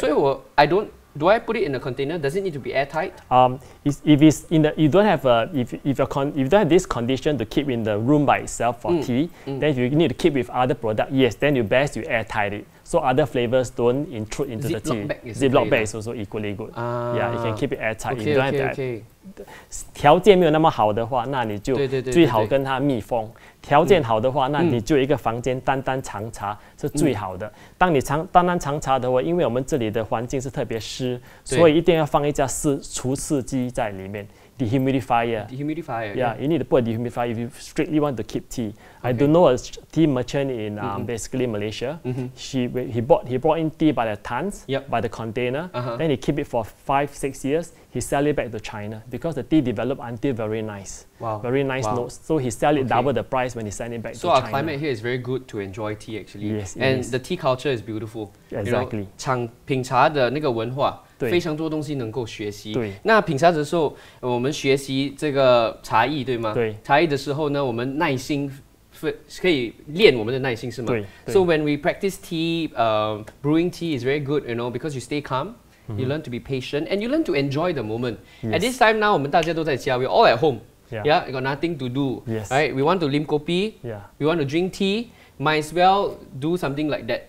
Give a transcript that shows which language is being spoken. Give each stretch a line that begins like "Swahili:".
English: So I don't Do I put it in a container? Does it need to be airtight? If you don't have this condition to keep in the room by itself for tea, then if you need to keep with other product, yes, then you best you airtight it. So other flavors don't intrude into the tea. Ziploc bag is also equally good. Yeah, you can keep it airtight. Okay, you don't have that.
Chinese: 条件没有那么好的话，那你就最好跟它密封。条件好的话，那你就一个房间单单长茶是最好的。当你长单单长茶的话，因为我们这里的环境是特别湿，所以一定要放一架除湿机在里面 ，dehumidifier。
English: dehumidifier. Yeah, you need to put a dehumidifier if you strictly want to keep tea. Okay. I do know a tea merchant in basically Malaysia. He bought in tea by the tons, by the container. Uh-huh. Then he keep it for 5-6 years. He sell it back to China because the tea developed until very nice. Wow. Very nice notes. So he sell it double the price when he send it back so to China. So our climate here is very good to enjoy tea actually. Yes, and is. The tea culture is beautiful. Exactly. You know,
Chinese: 品茶的那个文化 非常多东西能够学习。那品茶的时候，我们学习这个茶艺，对吗？茶艺的时候呢，我们耐心，可以练我们的耐心，是吗？对。
English: So when we practice tea, brewing tea is very good, you know, because you stay calm, you learn to be patient, and you learn to enjoy the moment. Yes. At this time now,
Chinese: 我们大家都在家,
English: we're all at home. Yeah. Yeah, got nothing to do. Yes. Right? We want to lim kopi. Yeah. We want to drink tea. Might as well do something like that.